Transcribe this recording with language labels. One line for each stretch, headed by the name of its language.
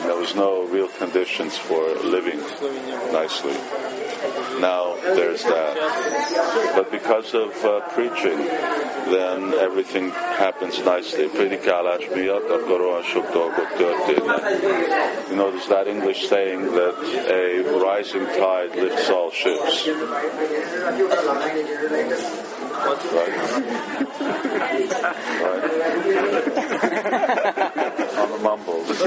English: There was no real conditions for living nicely. Now there's that. But because of preaching, then everything happens nicely.
Hungarian: Predikálás miatt akkor olyan sok dolgok történnek.
English: You know, there's that English saying that a rising tide lifts all ships. Right? On the mumbles.